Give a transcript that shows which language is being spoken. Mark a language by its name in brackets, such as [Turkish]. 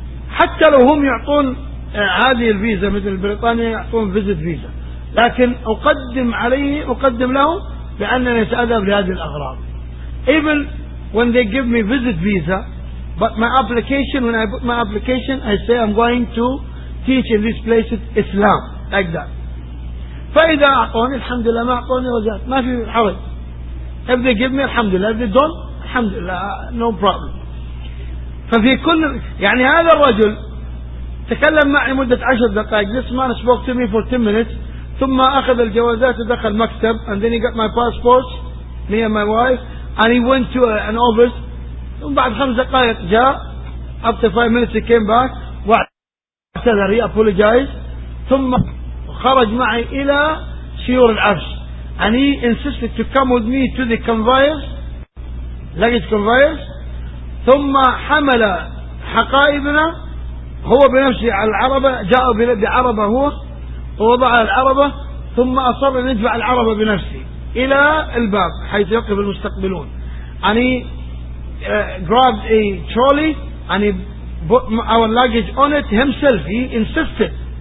[Arabic] حتى لو هم يعطون هذه الفيزا مثل بريطانيا يعطون visit visa, لكن أقدم لهم بأنني سأذهب لهذه الأغراض. [English] Even when they give me visit visa, but my application, when I put my application, I say I'm going to teach in these places Islam, like that. [Arabic] فإذا أعطوني الحمد لله, ما أعطوني وزاد, ما في حرج. [English] If they give me الحمد لله, if they don't, الحمد لله, no problem. [Arabic] ففي كل, يعني هذا الرجل تكلم معي مدة 10 دقائق. [English] This man spoke to me for 10 minutes. [Arabic] ثم أخذ الجوازات ودخل مكتب, [English] and then he got my passports, me and my wife, and he went to an office. [Arabic] بعد 5 دقائق جاء, [English] after 5 minutes he came back, [Arabic] واعتذر, [English] he apologized. [Arabic] ثم خرج معي إلى سيور العرش, [English] and he insisted to come with me to the conveyors, luggage conveyors. [Arabic] ثم حمل حقائبنا هو بنفسه على العربة, جاء بعربة هو ووضع العربة, ثم أصر أن يدفع العربة بنفسه إلى الباب حيث يقف المستقبلون. [English] And he grabbed a trolley and he put our luggage on it himself. He insisted.